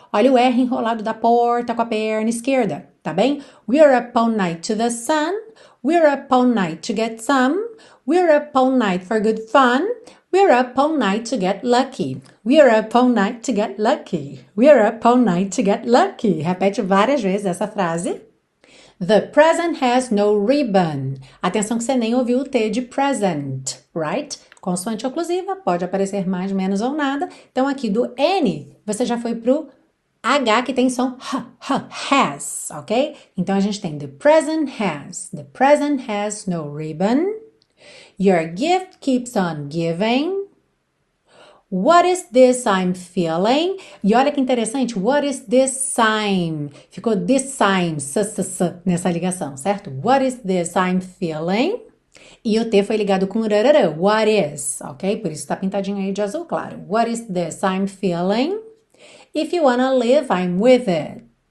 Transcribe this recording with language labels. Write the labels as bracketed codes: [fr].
[pt] Olha o R enrolado da porta com a perna esquerda. Tá bem? [en] We're up all night to the sun. We're up all night to get some. We're up all night for good fun. We're up all night to get lucky. We're up all night to get lucky. We're up all night to get lucky. [pt] Repete várias vezes essa frase. [en] The present has no ribbon. [pt] Atenção que você nem ouviu o T de present, right? Consoante oclusiva, pode aparecer mais, menos ou nada. Então, aqui do N, você já foi pro H, que tem som has, ok? Então, a gente tem [en] the present has no ribbon. Your gift keeps on giving. What is this I'm feeling? [pt] E olha que interessante, [en] what is this I'm? [pt] Ficou [en] this I'm, [pt] s-s-s, nessa ligação, certo? What is this I'm feeling? E o T foi ligado com rarara, what is, ok? Por isso tá pintadinho aí de azul, claro. [en] What is this I'm feeling? If you wanna live, I'm with it.